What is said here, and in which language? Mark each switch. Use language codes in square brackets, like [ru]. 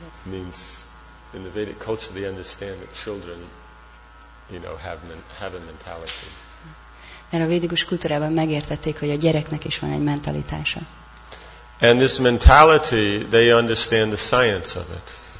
[en] means in the Vedic culture, they understand that children, you know, have a mentality. [hu] Mert a védikus kultúrában megértették, hogy a gyereknek is van egy mentalitása. [en] And this mentality, they understand the science of it.